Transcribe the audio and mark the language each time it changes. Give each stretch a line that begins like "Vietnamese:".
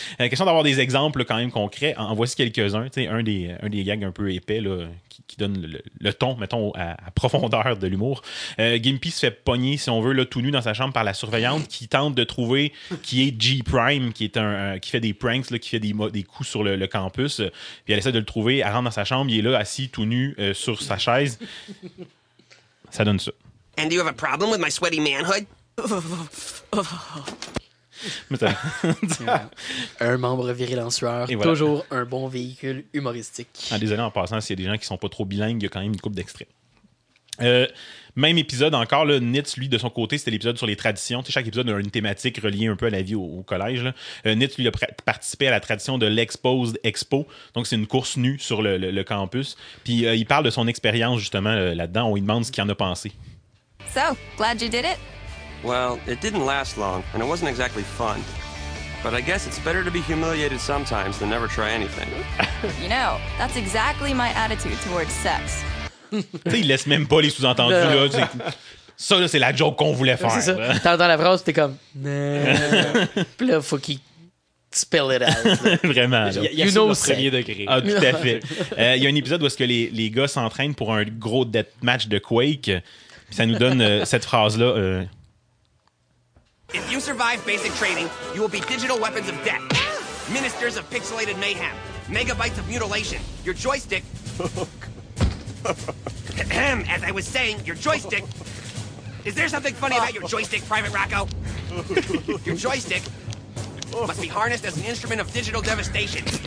French: Question d'avoir des exemples là, quand même concrets, en voici quelques-uns, tu sais, un des gags un peu épais là, qui donne le ton, mettons, à profondeur de l'humour. Gimpy se fait pogner, si on veut, là, tout nu dans sa chambre par la surveillante qui tente de trouver qui est G-Prime, qui est qui fait des pranks, là, qui fait des coups sur le campus, puis elle essaie de le trouver, elle rentre dans sa chambre, il est là, assis tout nu sur sa chaise. Ça donne ça.
English: And you have a problem with my sweaty manhood?
French: Un membre viril en sueur, voilà. Toujours un bon véhicule humoristique. Ah, désolé en passant, s'il y a des gens qui sont pas trop bilingues, il y a quand même une couple d'extraits. Même épisode encore, là, Nitz, lui, de son côté, c'était l'épisode sur les traditions. Tu sais, chaque épisode a une thématique reliée un peu à la vie au collège. Là. Nitz, lui, a participé à la tradition de l'Exposed Expo. Donc, c'est une course nue sur le campus. Puis, il parle de son expérience, justement, là-dedans, où il demande ce qu'il en a pensé.
English: So, glad you did it. Well, it didn't last long, and it wasn't exactly fun. But I guess it's better to be humiliated sometimes than never try anything. You know, that's exactly my attitude towards sex.
French: Tu sais, il laisse même pas les sous-entendus. Là. Ça, là, c'est la joke qu'on voulait faire. C'est ça. T'entends la phrase, t'es comme... Puis là, faut qu'il
English: spell it out.
French: Vraiment.
English: You know,
French: c'est le premier degré. Ah, tout à fait. Il y a un épisode où est-ce que les gars s'entraînent pour un gros death match de Quake. Puis ça nous donne cette phrase-là.
English: If you survive basic training, you will be digital weapons of death. Ministers of pixelated mayhem. Megabytes of mutilation. Your joystick... As I was saying, your joystick. Is there something funny about your joystick, Private Rocco? Your joystick must be harnessed as an instrument of digital devastation.